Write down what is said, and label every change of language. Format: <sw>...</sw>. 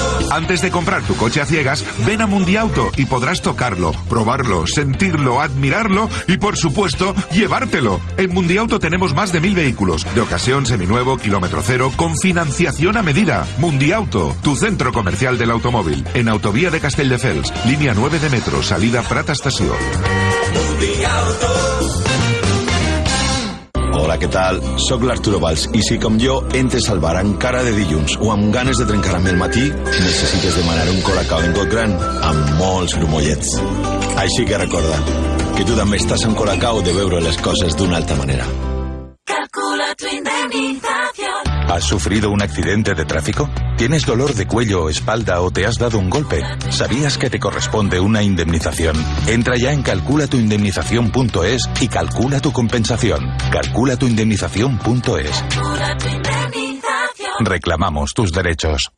<es>Antes de comprar tu coche a ciegas, ven a Mundiauto y podrás tocarlo, probarlo, sentirlo, admirarlo y, por supuesto, llevártelo. En Mundiauto tenemos más de 1000 vehículos, de ocasión, seminuevo, kilómetro cero, con financiación a medida. Mundiauto, tu centro comercial del automóvil, en Autovía de Castelldefels, línea 9 de metro, salida Prat Estación. Mundiauto.</es> <ca>Hola, què tal? Soc l'Arturo Valls i si com jo entres al bar encara de dilluns o amb ganes de trencar amb el matí, necessites demanar un Colacao en got gran amb molts grumollets. Així que recorda que tu també estàs en Colacao de veure les coses d'una altra manera. Calcula tu indemnització.</ca> <es>¿Has sufrido un accidente de tráfico? ¿Tienes dolor de cuello o espalda o te has dado un golpe? ¿Sabías que te corresponde una indemnización? Entra ya en calculatuindemnización.es y calcula tu compensación. Calculatuindemnización.es. Reclamamos tus derechos.</es>